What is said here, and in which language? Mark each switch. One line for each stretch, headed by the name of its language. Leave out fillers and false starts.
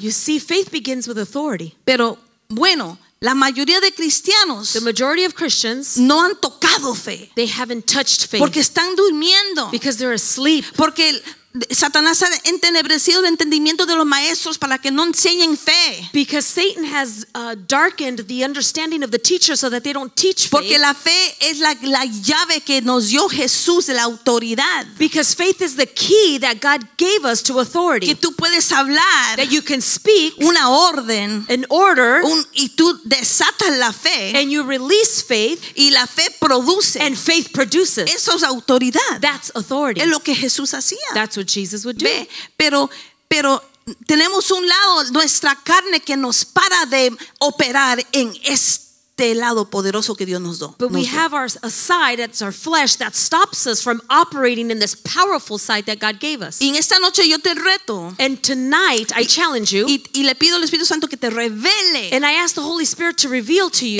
English: You see, faith begins with authority.
Spanish: Pero bueno, la mayoría de cristianos,
English: the majority of Christians,
Spanish: no han tocado fe.
English: They haven't touched faith.
Spanish: Porque están durmiendo.
English: Because they're asleep.
Spanish: Porque Satanás ha entenebrecido el entendimiento de los maestros para que no enseñen fe.
English: Because Satan has darkened the understanding of the teachers so that they don't teach faith.
Spanish: Porque la fe es la llave que nos dio Jesús, la autoridad.
English: Because faith is the key that God gave us to authority.
Spanish: Que tú puedes hablar,
English: that you can speak,
Spanish: una orden,
English: an order,
Spanish: y tú desatas la fe,
English: and you release faith,
Spanish: y la fe produce,
English: and faith produces.
Spanish: Eso es autoridad.
English: That's authority.
Spanish: Es lo que Jesús hacía.
English: That's what Jesus would do.
Spanish: Ve, pero tenemos un lado, nuestra carne que nos para de operar en este lado poderoso que Dios nos dio.
English: But we have a side, that's our flesh, that stops us from operating in this powerful side that God gave us.
Spanish: Y en esta noche yo te reto.
English: And tonight I challenge you.
Spanish: Y le pido al Espíritu Santo que te revele.
English: And I ask the Holy Spirit to reveal to you.